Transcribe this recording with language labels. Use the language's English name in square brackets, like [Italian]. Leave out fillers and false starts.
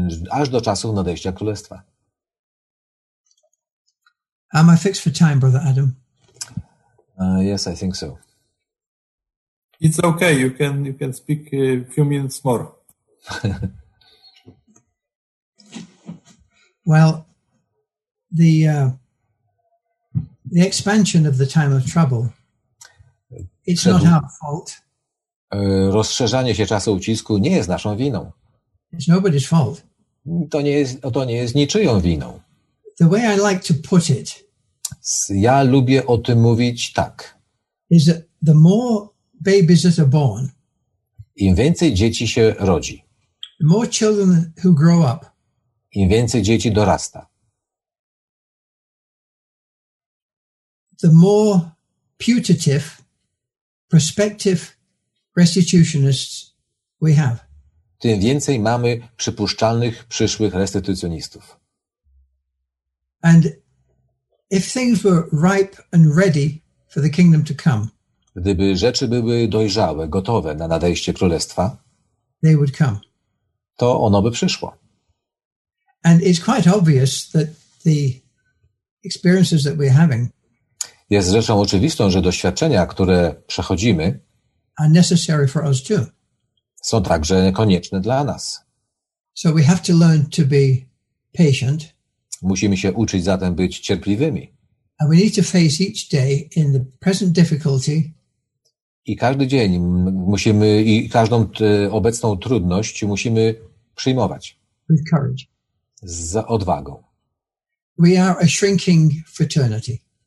[Polish] Aż do czasów nadejścia królestwa. [English] Am I fixed for time, Brother Adam? Yes, I think so. It's okay. You can speak a few minutes more. Well, the expansion of the time of trouble. It's not our fault. [Polish] Rozszerzanie się czasu ucisku nie jest naszą winą. [English] It's nobody's fault. [Polish] To nie jest niczyją winą. [English] The way I like to put it. [Polish] Ja lubię o tym mówić tak. [English] Is that the more babies that are born, [Polish] im więcej dzieci się rodzi, [English] the more children who grow up, [Polish] im więcej dzieci dorasta, [English] the more putative, prospective restitutionists we have. [Polish] Tym więcej mamy przypuszczalnych przyszłych restytucjonistów. [English] And if things were ripe and ready for the kingdom to come, [Polish] gdyby rzeczy były dojrzałe, gotowe na nadejście królestwa, [English] they would come. [Polish] To ono by przyszło. [English] And it's quite obvious that the experiences that we're having, [Polish] jest rzeczą oczywistą, że doświadczenia, które przechodzimy, [English] are necessary for us too. [Polish] Są także konieczne dla nas. [English] So we have to learn to be patient. [Polish] Musimy się uczyć zatem być cierpliwymi. [English] And we need to face each day in the present difficulty. [Polish] I każdy dzień musimy, i każdą obecną trudność musimy przyjmować. [English] With courage. [Polish] Z odwagą. [English] We are a shrinking fraternity.